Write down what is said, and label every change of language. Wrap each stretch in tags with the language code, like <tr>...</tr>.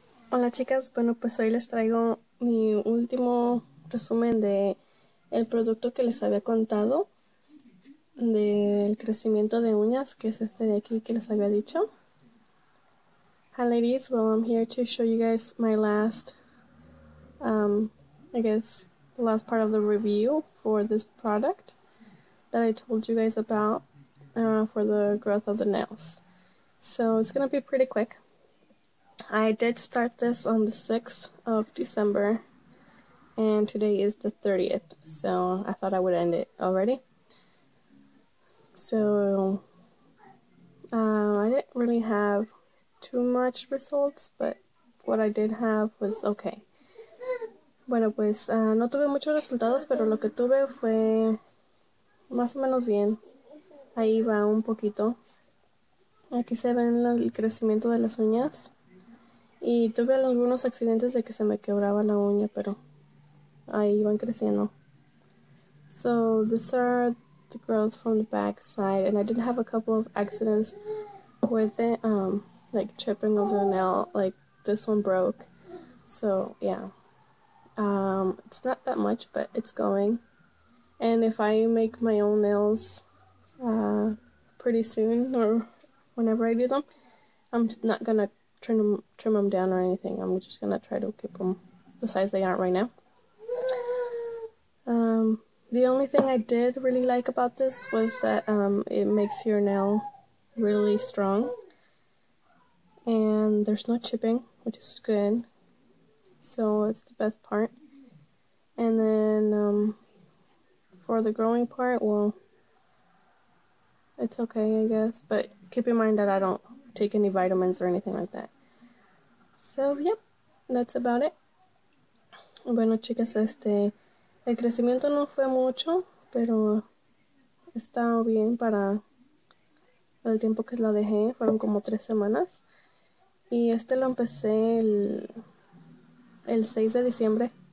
<es>Hola chicas, bueno pues hoy les traigo mi último resumen de el producto que les había contado del crecimiento de uñas, que es este de aquí que les había dicho.</es> <en>Hi ladies, well I'm here to show you guys my last, I guess the last part of the review for this product that I told you guys about for the growth of the nails. So it's gonna be pretty quick. I did start this on the 6th of December, and today is the 30th, so I thought I would end it already. So, I didn't really have too much results, but what I did have was okay.</en> <es>Bueno, pues no tuve muchos resultados, pero lo que tuve fue más o menos bien. Ahí va un poquito. Aquí se ven el crecimiento de las uñas. Y tuve algunos accidentes de que se me quebraba la uña, pero ahí iban creciendo.</es> <en>So, these are the growth from the back side. And I did have a couple of accidents with it, like tripping over the nail. Like, this one broke. So, yeah. It's not that much, but it's going. And if I make my own nails pretty soon or whenever I do them, I'm not gonna trim them down or anything. I'm just gonna try to keep them the size they are right now. The only thing I did really like about this was that it makes your nail really strong and there's no chipping, which is good. So it's the best part. And then for the growing part, well, it's okay, I guess, but keep in mind that I don't take any vitamins or anything like that. So, yep, that's about it.</en> <es>Bueno, chicas, el crecimiento no fue mucho, pero está bien para el tiempo que lo dejé. Fueron como 3 semanas. Y lo empecé el 6 de diciembre.</es>